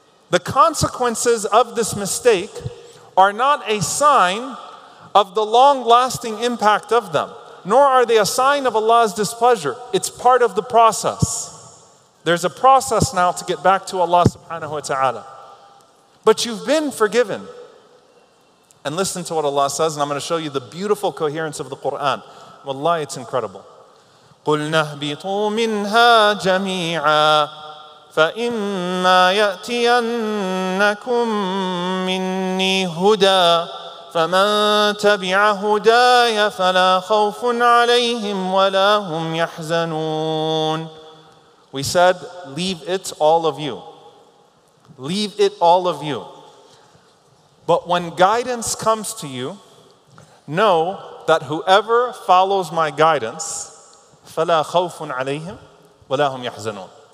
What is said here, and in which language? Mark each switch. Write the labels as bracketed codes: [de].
[en] The consequences of this mistake are not a sign of the long-lasting impact of them, nor are they a sign of Allah's displeasure. It's part of the process. There's a process now to get back to Allah subhanahu wa ta'ala. But you've been forgiven. And listen to what Allah says, and I'm going to show you the beautiful coherence of the Quran. Wallahi, it's incredible. [ar] قلنا اهبطوا منها جميعا فإما يأتينكم مني هدى فمن تبع هداي فلا خوف عليهم ولا هم يحزنون. [en] We said, leave it all of you. Leave it all of you. But when guidance comes to you, know that whoever follows my guidance, [ar] فَلَا خَوْفٌ عَلَيْهِمْ وَلَا هُمْ يَحْزَنُونَ.